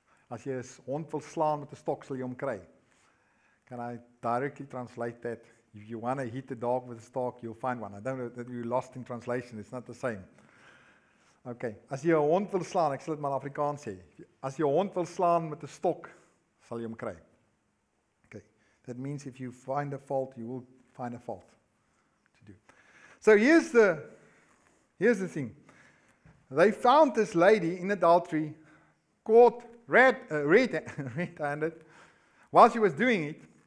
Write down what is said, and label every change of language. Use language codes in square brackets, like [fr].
[af] As jy 'n hond wil slaan met 'n stok, sal jy hom kry. [en] Can I directly translate that? If you want to hit the dog with a stalk, you'll find one. I don't know that you're lost in translation. It's not the same. Okay. [af] As jy 'n hond wil slaan, ek sal dit maar in Afrikaans sê. As jy 'n hond wil slaan met 'n stok, sal jy hom kry. [en] Okay. That means if you find a fault, you will find a fault to do. So here's the thing. They found this lady in adultery, caught red-handed while she was doing it.